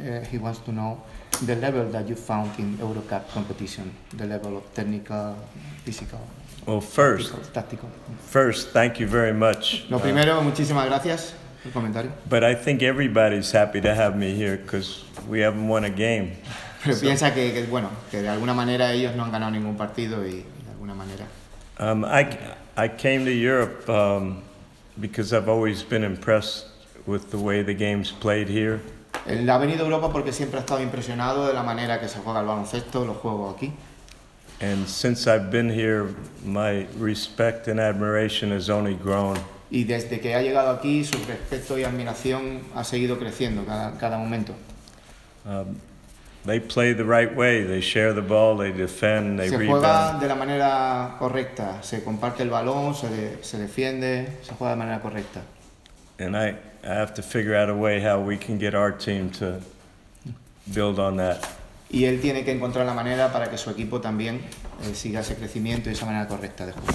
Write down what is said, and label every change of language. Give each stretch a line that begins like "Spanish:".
English: He wants to know the level that you found in EuroCup competition, the level of technical, physical, well, first, tactical. First, thank you very much.
Spanish: Lo primero, muchísimas gracias por el comentario.
English: But I think everybody's happy to have me here because we haven't won a game.
Spanish: Pero piensa que bueno, que de alguna manera ellos no han ganado ningún partido y de alguna manera.
English: I came to Europe because I've always been impressed with the way the game's played here.
Spanish: Él ha venido a Europa porque siempre ha estado impresionado de la manera que se juega el baloncesto, los juegos aquí.
English: And since I've been here, my respect and admiration has only grown.
Spanish: Y desde que ha llegado aquí, su respeto y admiración ha seguido creciendo cada momento.
English: They play the right way. They share the ball. They defend. They rebound.
Spanish: Se juega de la manera correcta. Se comparte el balón. Se defiende. Se juega de manera correcta.
English: And I have to figure out a way how we can get our team to build on that.
Spanish: Y él tiene que encontrar la manera para que su equipo también siga ese crecimiento y esa manera correcta de jugar.